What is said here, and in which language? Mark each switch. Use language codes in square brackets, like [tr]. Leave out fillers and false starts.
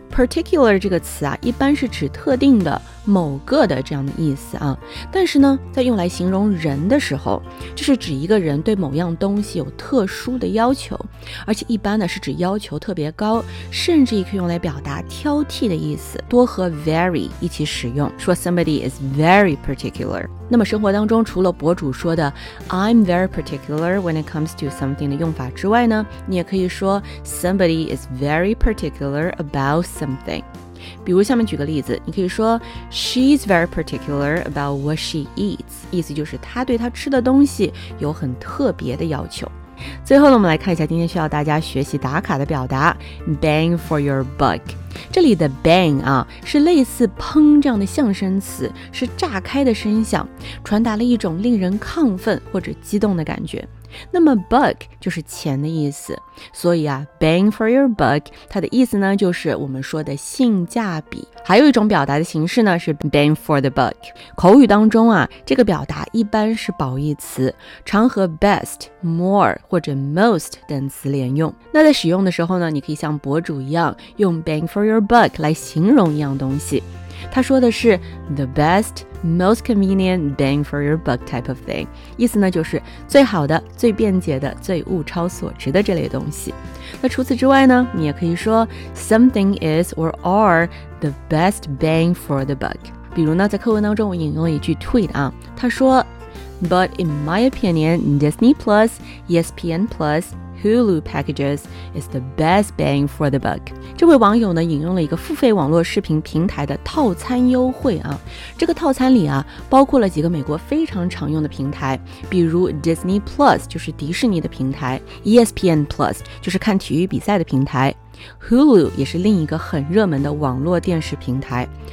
[zh] particular 这个词啊一般是指特定的某个的这样的意思啊，但是呢在用来形容人的时候，就是指一个人对某样东西有特殊的要求，而且一般呢是指要求特别高，甚至也可以用来表达挑剔的意思，多和 very 一起使用，说 [en] somebody is very particular。 [zh] 那么生活当中除了博主说的 [en] I'm very particular when it comes to something [zh] 的用法之外呢，你也可以说 [en] somebody is very particular about something something. [zh] 比如下面举个例子，你可以说 [en] She's very particular about what she eats. [zh] 意思就是她对她吃的东西有很特别的要求。最后呢，我们来看一下今天需要大家学习打卡的表达 [en] Bang for your buck。 [zh] 这里的 bang 啊，是类似砰这样的象声词，是炸开的声响，传达了一种令人亢奋或者激动的感觉。那么 buck 就是钱的意思，所以啊 [en] bang for your buck [zh] 它的意思呢就是我们说的性价比。还有一种表达的形式呢是 [en] bang for the buck。 [zh] 口语当中啊，这个表达一般是褒义词，常和 best, more 或者 most 等词连用。那在使用的时候呢，你可以像博主一样用 [en] bang for your buck [zh] 来形容一样东西，他说的是 [en] the best, most convenient bang for your buck type of thing， [zh] 意思呢就是最好的、最便捷的、最物超所值的这类东西。那除此之外呢，你也可以说 [en] something is or are the best bang for the buck。 [zh] 比如呢，在课文当中我引用了一句 tweet 啊，他说 [en] But in my opinion, Disney Plus, ESPN PlusHulu packages is the best bang for the buck. [zh] 这位网友呢引用了一个付费网络视频平台的套餐优惠啊。这个套餐里啊包括了几个美国非常常用的平台，比如 Disney Plus 就是迪士尼的平台， ESPN Plus 就是看体育比赛的平台，Hulu 也是另一个很热门的网络电视平台。